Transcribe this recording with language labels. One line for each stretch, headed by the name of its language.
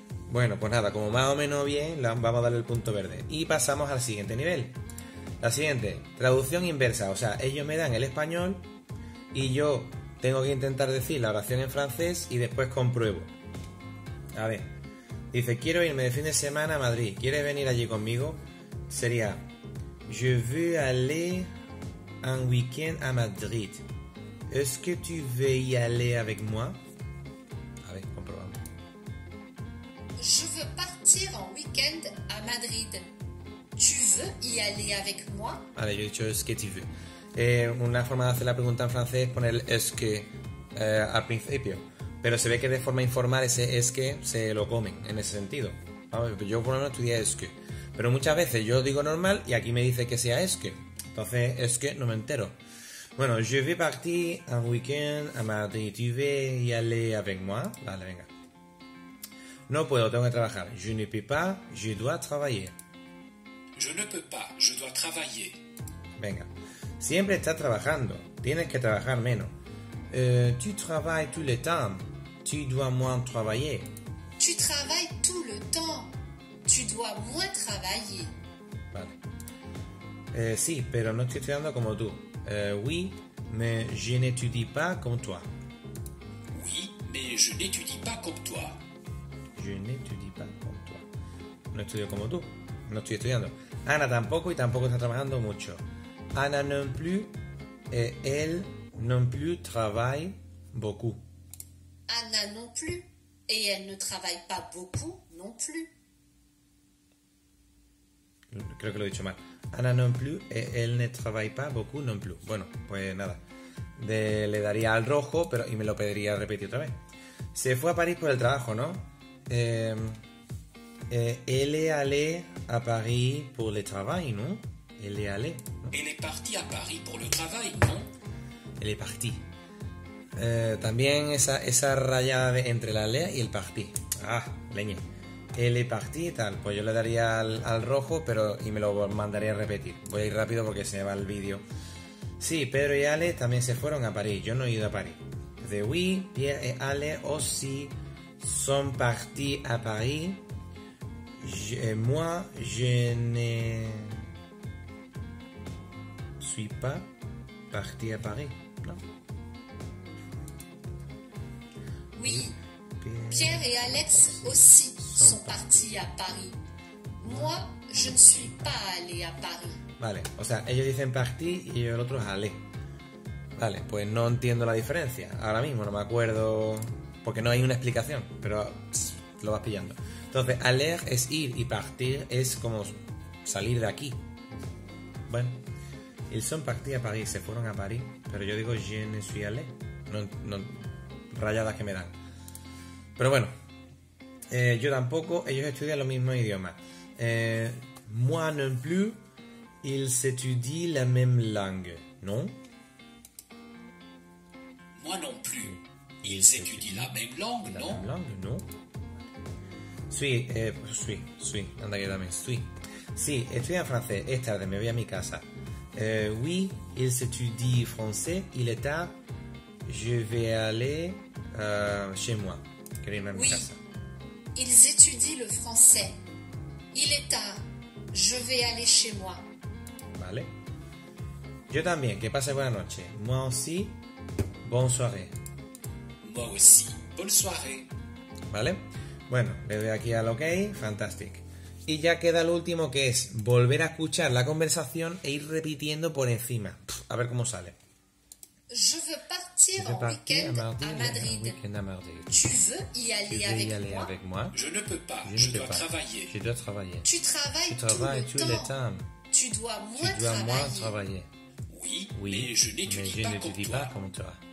Spanish: Bueno, pues nada, como más o menos bien, vamos a darle el punto verde. Y pasamos al siguiente nivel. La siguiente, traducción inversa. O sea, ellos me dan el español y yo tengo que intentar decir la oración en francés y después compruebo. A ver, dice, quiero irme de fin de semana a Madrid. ¿Quieres venir allí conmigo?
French: Sería, je veux aller un week-end à Madrid. Est-ce que tu veux y aller avec moi?
Spanish: A ver, comprobamos.
French: Je veux partir en week-end à Madrid. Tu veux y aller avec moi?
Spanish: Vale, yo he dicho,
French: est-ce que tu veux.
Spanish: Una forma de hacer la pregunta en francés es poner es que al principio, pero se ve que de forma informal ese es que se lo comen en ese sentido. Yo por lo menos estudié es que, pero muchas veces yo digo normal y aquí me dice que sea es que, entonces es que no me entero.
French: Bueno, je vais partir un week-end à Madrid, tu veux y aller avec moi.
Spanish: Vale, venga. No puedo, tengo que trabajar.
French: Je ne peux pas, je dois travailler. Je ne peux pas, je dois travailler.
Spanish: Venga. Siempre estás trabajando. Tienes que trabajar menos.
French: Tu travailles tout le temps. Tu dois moins travailler. Tu travailles tout le temps. Tu dois moins travailler.
Spanish: Vale. Sí, pero no estoy estudiando como tú.
French: Oui, mais je n'étudie pas comme toi. Oui, mais je n'étudie pas comme toi. Je n'étudie pas comme toi.
Spanish: No estudio como tú. No estoy estudiando. Ana tampoco y tampoco está trabajando mucho.
French: Ana non plus, et elle non plus travaille beaucoup. Ana non plus, et elle ne travaille pas beaucoup non plus.
Spanish: Creo que lo he dicho mal.
French: Ana non plus, et elle ne travaille pas beaucoup non plus.
Spanish: Bueno, pues nada. Le daría al rojo pero, y me lo pediría repetir otra vez. Se fue a París por el trabajo, ¿no?
French: Elle est allée à Paris pour le travail, ¿no? Elle est allée. Elle est partie à Paris pour le travail, non? Elle est partie.
Spanish: También esa rayada de entre la lea y el parti. Ah, leñe.
French: Elle est partie
Spanish: y tal. Pues yo le daría al rojo pero, y me lo mandaría a repetir. Voy a ir rápido porque se me va el vídeo. Sí, Pedro y Ale también se fueron a París. Yo no he ido a París.
French: De oui, Pierre y Ale aussi sont partis à Paris. Moi, je n'ai... suis pas parti à Paris, non? Oui, Pierre et Alex aussi sont partis à Paris. Moi, je ne suis pas allé à Paris.
Spanish: Vale, o sea, ellos dicen partí y el otro es allé. Vale, pues no entiendo la diferencia. Ahora mismo no me acuerdo, porque no hay una explicación, pero lo vas pillando. Entonces, aller es ir y partir es como salir de aquí.
French: Bueno, ils sont partis à Paris,
Spanish: se fueron a París, pero yo digo
French: je ne suis allé.
Spanish: No, rayadas que me dan. Pero bueno, yo tampoco, ellos estudian los mismos idiomas.
French: Moi non plus, ils étudient la même langue, ¿no? Moi non plus, ils étudient la même langue, ¿no? La même langue,
Spanish: ¿no? Sí, anda que dame, sí. Sí, estoy en francés, es tarde, me voy a mi casa.
French: Oui, il s'étudie français, il est tard, je vais aller chez moi.
Spanish: Quiero irme a mi casa.
French: Ils étudient le français, il est tard, je vais aller chez moi.
Spanish: Vale. Yo también, que pase buena noche.
French: Moi aussi, bonne soirée. Moi aussi, bonne soirée.
Spanish: Vale. Bueno, le doy aquí al OK, fantastic. Y ya queda lo último, que es volver a escuchar la conversación e ir repitiendo por encima. A ver cómo sale.
French: Je veux partir en week-end à Madrid. Tu veux y aller avec moi? Je ne peux pas. Je dois travailler. Je dois travailler. Tu travailles tout le temps. Tu dois moins travailler. Oui, mais je n'étudie pas comme toi.